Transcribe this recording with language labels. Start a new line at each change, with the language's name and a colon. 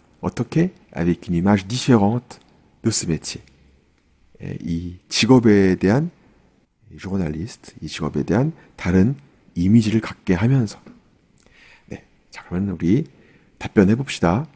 Korean: 어떻게?
French: avec une image différente de ce métier.
Korean: 이 직업에 대한 journaliste 이 직업에 대한 다른 이미지를 갖게 하면서 네, 자 그러면 우리 답변해 봅시다.